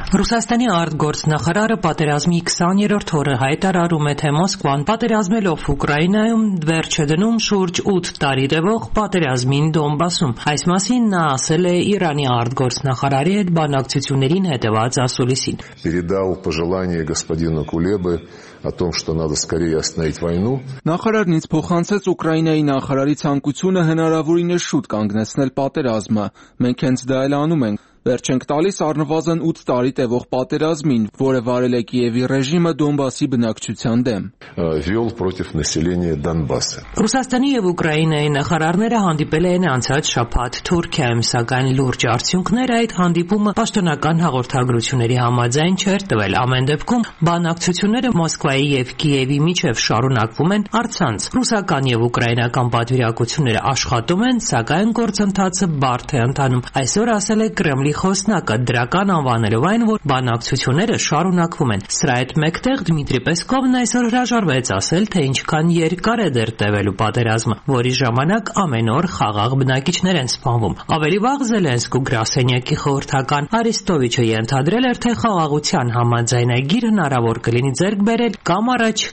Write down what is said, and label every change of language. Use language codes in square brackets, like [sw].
[hy] Ռուսաստանի արտգործնախարարը պատերազմի 20-րդ օրը հայտարարում է, թե Մոսկվան, պատերազմելով Ուկրաինայում, վերջը դնում շուրջ 8 տարի տևող պատերազմին Դոնբասում։ Այս մասին նա ասել է Իրանի արտգործնախարարի հետ բանակցություններին հետևած ասուլիսին։ [ru] Передал пожелание господину Кулебе о том, что надо скорее остановить войну. [hy] Նախարարն ինձ փոխանցեց Ուկրաինայի նախարարի ցանկությունը հնարավորինս շուտ կանգնեցնել պատերազմը։ Մենք հենց դա էլ անում ենք։ Վերջ ենք տալիս առնվազն 8 տարի տևող պատերազմին, որը վարել է Կիևի ռեժիմը Դոնբասի բնակչության դեմ։ [ru] Վյոլ против населения Донбасса. [hy] Ռուսաստանի և Ուկրաինայի նախարարները հանդիպել են անցած շաբաթ Թուրքիայում, սակայն լուրջ արդյունքներ այդ հանդիպումը պաշտոնական հաղորդագրությունների համաձայն չէր տվել։ Ամեն դեպքում բանակցությունները Մոսկվայի և Կիևի միջև շարունակվում են առցանց։ Ռուսական և ուկրաինական պատվիրակությունները աշխատում են, սակայն գործընթացը բարդ է ընթանում։ Այսօր ասել է Կրեմլի խոսնակը, դրական անվանելով այն, որ բանակցությունները շարունակվում են։ Սրա հետ մեկտեղ Դմիտրի Պեսկովն այսօր հրաժարվեց ասել, թե ինչքան երկար է դեռ տևելու պատերազմը, որի ժամանակ ամեն օր խաղաղ բնակիչներ են սպանվում։ Ավելի վաղ Զելենսկու Գրասենյակի խորհրդական Արիստովիչը ենթադրել էր, թե խաղաղության համաձայնագիր հնարավոր կլինի ձեռք բերել կամ առաջ,